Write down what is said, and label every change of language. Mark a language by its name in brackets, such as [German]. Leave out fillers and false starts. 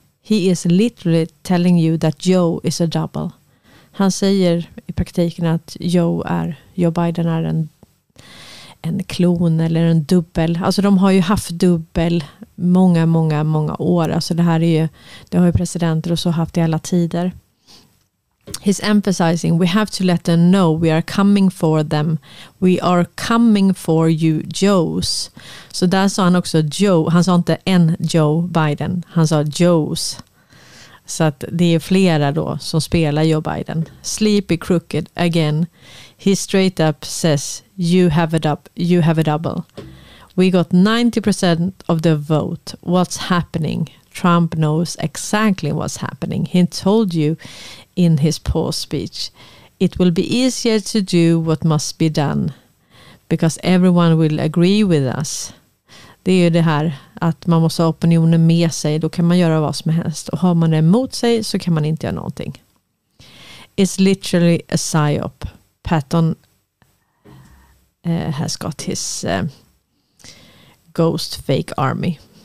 [English] He is literally telling you that Joe is a double. [Swedish] Han säger i praktiken att Joe Biden är en klon eller en dubbel. Alltså de har ju haft dubbel många, många, många år. Alltså det här är ju, det har ju presidenter och så haft i alla tider. [English] He's emphasizing, we have to let them know we are coming for them. We are coming for you, Joes. [Swedish] Så där sa han också Joe. Han sa inte en Joe Biden. Han sa Joes. Så att det är flera då som spelar Joe Biden. [English] Sleepy crooked again. He straight up says, you have a double. We got 90% of the vote. What's happening? Trump knows exactly what's happening. He told you in his poor speech, it will be easier to do what must be done because everyone will agree with us. [Swedish] Det är ju det här att man måste ha opinionen med sig, då kan man göra vad som helst. Och har man det emot sig så kan man inte göra någonting. [English] It's literally a psyop. Patton has got his ghost fake army.